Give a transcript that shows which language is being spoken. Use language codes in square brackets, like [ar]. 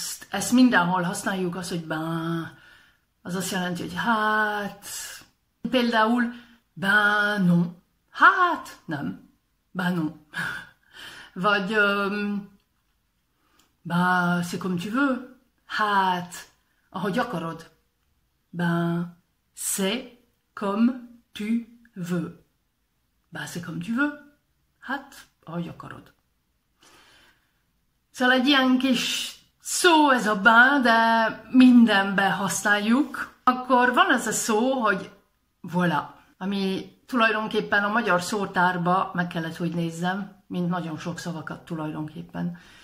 [hu] Ezt mindenhol használjuk, az, hogy ben, az azt jelenti, hogy hát, például, [fr] ben, non, [hu] hát, nem, ben, non. Vagy, [fr] ben, c'est comme tu veux, [hu] hát, ahogy akarod, [fr] ben, c'est comme tu veux, ben, c'est comme tu veux, [hu] hát, ahogy akarod. Szóval egy ilyen kis szó ez a ben, de mindenbe használjuk. Akkor van ez a szó, hogy voilà, ami tulajdonképpen a magyar szótárba meg kellett, hogy nézzem, mint nagyon sok szavakat tulajdonképpen.